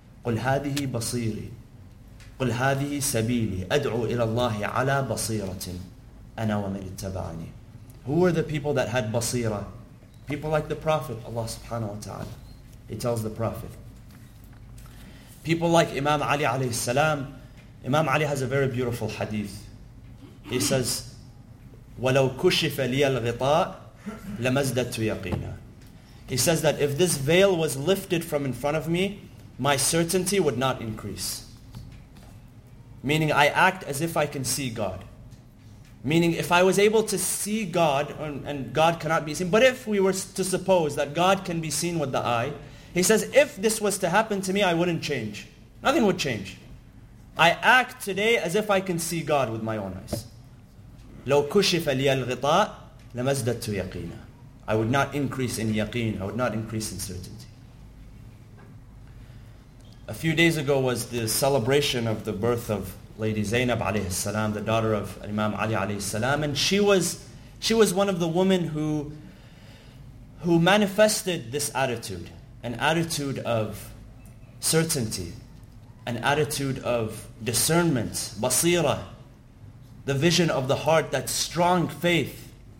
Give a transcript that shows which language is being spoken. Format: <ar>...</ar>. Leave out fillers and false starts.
<ar>قُلْ هَذِهِ بَصِيرِي قُلْ هَذِهِ سَبِيلِي أَدْعُوا إِلَى اللَّهِ عَلَى بَصِيرَةٍ أَنَا وَمَنِ اتَّبَعَنِي.</ar> <en>Who were the people that had basira? People like the Prophet, Allah subhanahu wa ta'ala. He tells the Prophet. People like Imam Ali alayhi salam. Imam Ali has a very beautiful hadith. He says,</en> <ar>وَلَوْ كُشِفَ لِيَ الْغِطَاءِ لَمَزْدَتُ يَقِينًا.</ar> <en>He says that if this veil was lifted from in front of me, my certainty would not increase. Meaning I act as if I can see God. Meaning if I was able to see God, and God cannot be seen, but if we were to suppose that God can be seen with the eye, he says, if this was to happen to me, I wouldn't change. Nothing would change. I act today as if I can see God with my own eyes.</en> <ar>لو كشف لي الغطاء لمزدت يقينا.</ar> <en>I would not increase in yaqeen. I would not increase in certainty. A few days ago was the celebration of the birth of Lady Zainab alayhi salam, the daughter of Imam Ali alayhi salam, and she was one of the women who manifested this attitude, an attitude of certainty, an attitude of discernment, basira, the vision of the heart, that strong faith.</en>